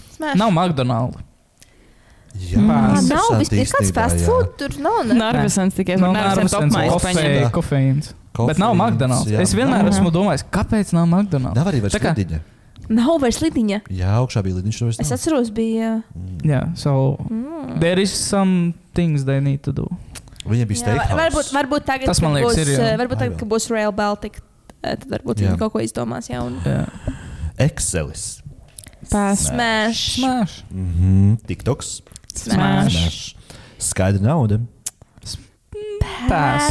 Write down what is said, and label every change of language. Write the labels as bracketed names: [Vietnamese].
[Latvian] Smash. Nav McDonald's. Jā, pās, nav, ir kāds fast food, tur nav. Narvesens tikai. Narvesens, kofeīns. Bet nav McDonald's. Es vienmēr esmu domājis, kāpēc nav McDonald's? Nav arī vairs lidiņa. Nav vairs lidiņa. Jā, augšā bija lidiņš, vairs nav. Es atceros, bija... [English] Jā, so there is some things they need to do. [Latvian] Viņa bija steakhouse. Varbūt tagad, tas man liekas, būs, ir, varbūt tagad, ka būs Rail Baltic, tad varbūt viņa kaut ko izdomās. Jā, un... jā. Excelis. [English] Pass. Smash. Smash. [Latvian] Mm-hmm. TikToks. [English] Smash. Smash. [Latvian] Skaidra nauda. [English] Pass.